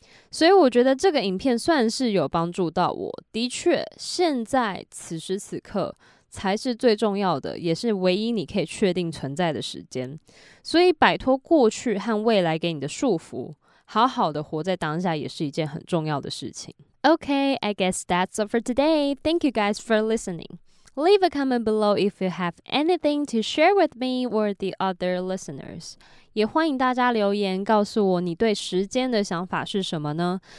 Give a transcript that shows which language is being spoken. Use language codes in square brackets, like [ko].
[zh] 所以我觉得这个影片算是有帮助到我。的确，现在此时此刻才是最重要的，也是唯一你可以确定存在的时间。所以摆脱过去和未来给你的束缚，好好的活在当下也是一件很重要的事情。 [en] Okay, I guess that's all for today. Thank you guys for listening. Leave a comment below if you have anything to share with me or the other listeners. [zh] 也欢迎大家留言告诉我你对时间的想法是什么呢？